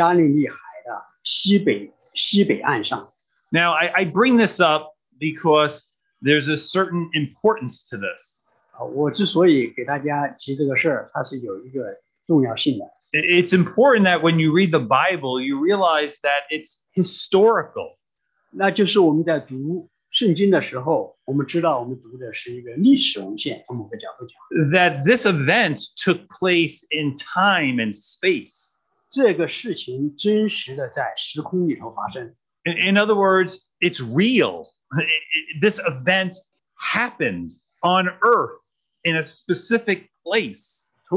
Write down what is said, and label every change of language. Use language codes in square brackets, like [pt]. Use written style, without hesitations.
[zh] 但是一般而言，大家传统上认为登山宝训的山是在加利利海的西北岸上。 [en] Now, I bring this up because there's a certain importance to this. [zh] 我之所以给大家提这个事儿，它是有一个重要性的。 [en] It's important that when you read the Bible, you realize that it's historical. [zh] 那就是我们在读圣经的时候，我们知道我们读的是一个历史文献，从某个角度讲。 [en] That this event took place in time and space. [zh] 这个事情真实的在时空里头发生。 [en] In other words, it's real. This event happened on earth in a specific place.